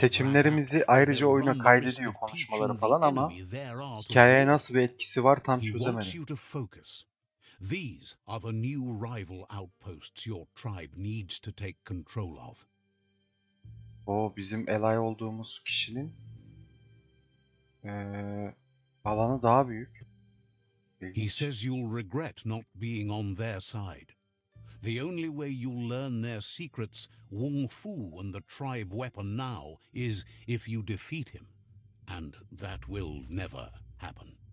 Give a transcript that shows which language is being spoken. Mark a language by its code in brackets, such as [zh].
[tr] Seçimlerimizi ayrıca oyuna kaydediyor konuşmaları falan ama hikayeye nasıl bir etkisi var tam çözemedim. [en] These are the new rival outposts your tribe needs to take control of. [tr] O bizim [en] ally [tr] olduğumuz kişinin alanı daha büyük. [en] He says you'll regret not being on their side. The only way you'll learn their secrets, Wong Fu and the tribe weapon now, is if you defeat him. And that will never happen.